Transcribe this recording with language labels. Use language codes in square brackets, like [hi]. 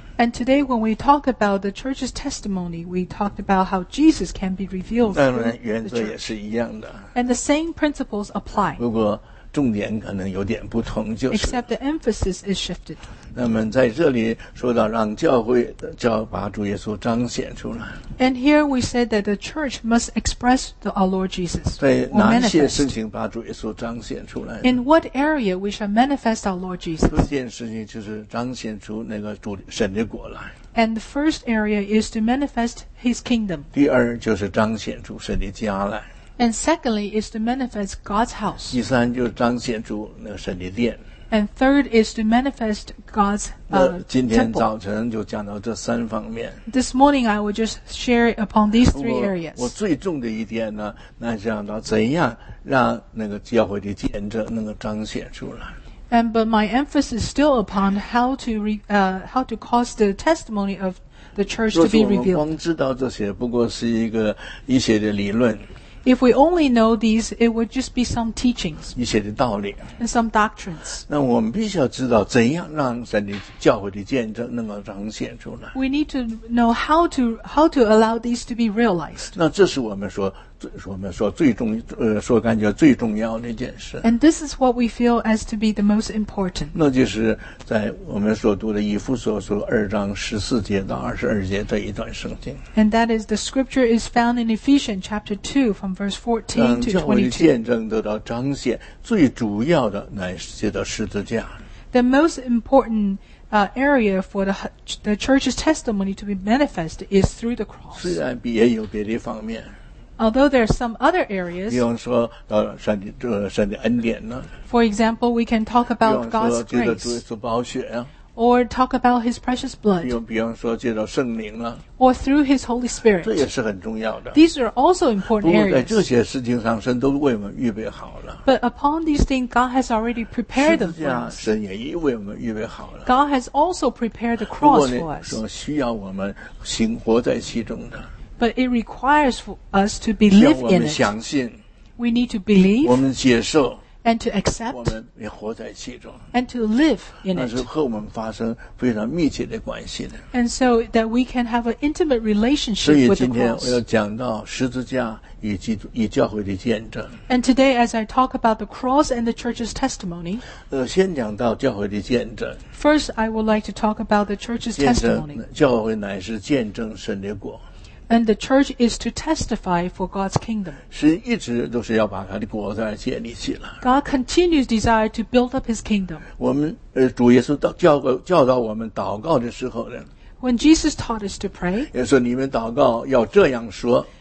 [en] And today when we talk about the church's testimony, we talked about how Jesus can be revealed. [zh] 当然原则也是一样的。 [en] And the same principles apply. [zh] 如果重点可能有点不同，就是。 [en] Except the emphasis is shifted. [zh] 那么在这里说到让教会把主耶稣彰显出来。 [en] And here we said that the church must express our Lord Jesus. [zh] 在哪些事情把主耶稣彰显出来 [en] ？In what area we shall manifest our Lord Jesus? [zh] 第一件事情就是彰显出那个主神的国来。 [en] And the first area is to manifest His kingdom. [zh] 第二就是彰显出神的家来。 [en] And secondly, is to manifest God's house. [zh] 第三就是彰显出那个神的殿。 [en] And third is to manifest God's temple. [zh] 今天早晨就讲到这三方面。 [en] This morning, I will just share upon these three areas. [zh] 我最重的一点呢，那是讲到怎样让那个教会的见证能够彰显出来。 [en] And but my emphasis is still upon how to cause the testimony of the church to be revealed. [zh] 若是我们光知道这些，不过是一些的理论。 [en] If we only know these, it would just be some teachings. [zh] 一些的道理。 [en] And some doctrines. [zh] 那我们必须要知道怎样让神的教会的见证能够彰显出来。 [en] We need to know how to allow these to be realized. [zh] 那这是我们说最重说感觉最重要的一件事。 [en] And this is what we feel as to be the most important. [zh] 那就是在我们所读的以弗所书二章十四节到二十二节这一段圣经。 [en] And that is the scripture is found in Ephesians chapter 2 from verse 14 to 22. [zh] 让教会的见证得到彰显，最主要的乃是借着十字架。 [en] The most important area for the church's testimony to be manifest is through the cross. [zh] 虽然也有别的方面。 [en] Although there are some other areas, [zh] 比方说到神的恩典呢。 [en] For example, we can talk about God's grace. [zh] 比方说借着主耶稣宝血呀。 [en] Or talk about His precious blood. [zh] 比方说借着圣灵呢。 [en] Or through His Holy Spirit. [zh] 这也是很重要的。 [en] These are also important areas. [zh] 不过在这些事情上，神都为我们预备好了。 [en] But upon these things, God has already prepared them for us. [zh] 十字架，神也已为我们预备好了。 [en] God has also prepared the cross for us. [zh] 说需要我们行活在其中的。 [en] But it requires for us to believe in it. [zh] 我们相信。 [en] We need to believe. [zh] 我们接受。 [en] And to accept. [zh] 我们也活在其中。 [en] And to live in it. [zh] 那是和我们发生非常密切的关系的。 [en] And so that we can have an intimate relationship with the cross. [zh] 所以今天我要讲到十字架与教会的见证。 [en] And today, as I talk about the cross and the church's testimony. [zh] 先讲到教会的见证。 [en] First, I would like to talk about the church's testimony. [zh] 教会乃是见证神的国。 [en] And the church is to testify for God's kingdom. [zh] 神一直都是要把他的国在建立起来。 [en] God continues desire to build up His kingdom. [zh] 我们主耶稣教导我们祷告的时候呢。 [en] When Jesus taught us to pray. [zh] 也说你们祷告要这样说。